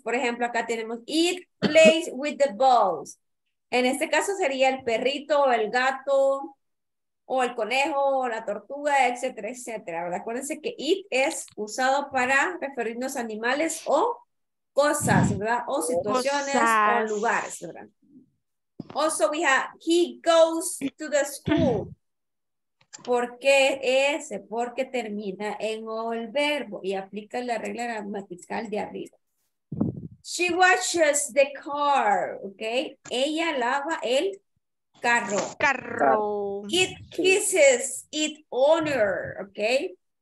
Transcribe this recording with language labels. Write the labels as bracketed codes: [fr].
[es] Por ejemplo, acá tenemos [en] it plays with the balls. [es] En este caso sería el perrito o el gato, o el conejo, o la tortuga, etcétera, etcétera, ¿verdad? Acuérdense que it es usado para referirnos a animales o cosas, ¿verdad? O situaciones, cosas, o lugares, ¿verdad? [en] Also, we have, he goes to the school. [es] ¿Por qué ese? Porque termina en el verbo y aplica la regla gramatical de arriba. [en] She washes the car, [es] ¿ok? Ella lava el carro. Carro. [en] It kisses its owner. Ok.